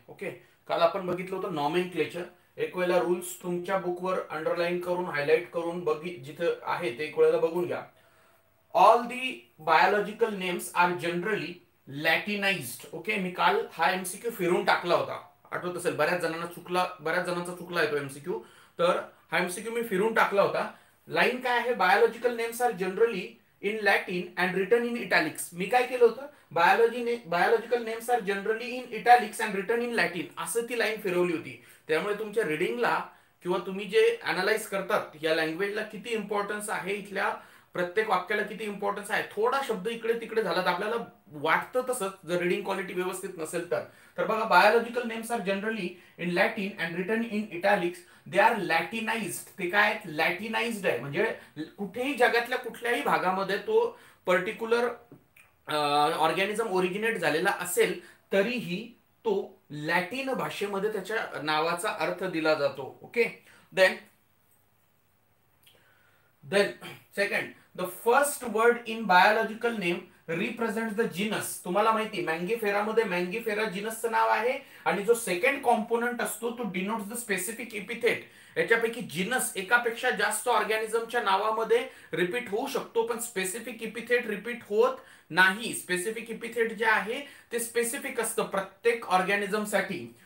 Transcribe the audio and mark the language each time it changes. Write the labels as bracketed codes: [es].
[mr] Okay काल आपण बघितलं होतं नॉमेनक्लेचर, एक वेळेला रूल्स तुमच्या बुकवर अंडरलाईन करून हायलाईट करून बघित जिथं आहे ते एक वेळेला बघून घ्या। [en] All the biological names are generally latinised. [mr] Okay मी काल हा एमसीक्यू फिरून टाकला होता, आठवत असेल बऱ्याच जणांना, चुकला बऱ्याच जणांचा चुकला येतो एमसीक्यू, तर हा एमसीक्यू मी फिरून टाकला होता। लाईन काय आहे, [en] Biological names are generally in Latin and written in italics. [mr] मी काय केलं होतं, [en] biological names are generally in italics and written in Latin [mr] असं ती लाईन फिरवली होती। त्यामुळे तुमच्या रिडिंगला किंवा तुम्ही जे अनालाइज करतात या लँग्वेजला किती इम्पॉर्टन्स आहे, इथल्या प्रत्येक वाक्याला किती इम्पॉर्टन्स आहे, थोडा शब्द इकडे तिकडे झाला तर आपल्याला वाटतं तसंच जर रिडिंग क्वालिटी व्यवस्थित नसेल तर। तर बघा, [en] Biological names are generally in Latin and written in italics, they are latinised. [mr] ते काय आहेत, लॅटिनाइज्ड आहे म्हणजे कुठेही जगातल्या कुठल्याही भागामध्ये तो पर्टिक्युलर ऑर्गॅनिझम ओरिजिनेट झालेला असेल तरीही तो लॅटिन भाषेमध्ये त्याच्या नावाचा अर्थ दिला जातो। [en] Okay then second, the first word in biological name represent the genus. [mr] तुम्हाला माहिती मँगीफेरामध्ये मँगीफेरा जीनसचं नाव आहे आणि जो सेकंड कॉम्पोनंट असतो तो [en] Denotes the specific epithet. [mr] याच्यापैकी genus एकापेक्षा जास्त ऑर्गॅनिझमच्या नावामध्ये रिपीट होऊ शकतो पण स्पेसिफिक एपिथेट रिपीट होत नाही। स्पेसिफिक एपिथेट जे आहे ते स्पेसिफिक असतं प्रत्येक ऑर्गॅनिझमसाठी।